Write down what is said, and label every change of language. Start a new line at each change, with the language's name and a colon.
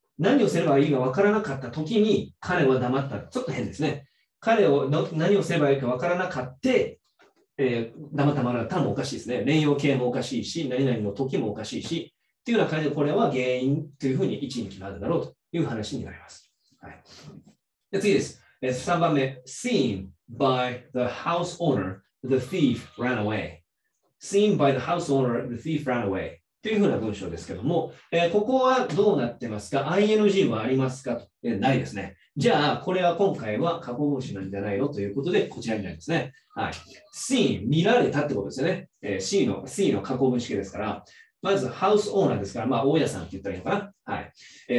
Japanese: 何をすればいいかわからなかった時に、彼は黙った。ちょっと変ですね。何をすればいいかわからなかった。黙ったままだったのもおかしいですね。連用形もおかしいし、何々の時もおかしいし、っていうような感じで、これは原因というふうに位置に決まるだろうという話になります。はい。で次です。3番目。
English: Seen by the house owner, the thief ran away. Seen by the house owner, the thief ran away.
Japanese: というふうな文章ですけども、ここはどうなってますか？ ING はありますか？ないですね。じゃあ、これは今回は過去分詞なんじゃないのということで、こちらになりますね。はい。 seen、見られたってことですよね。C の過去分詞形ですから、まず、ハウスオーナーですから、まあ、大家さんって言ったらいいのかな。はい。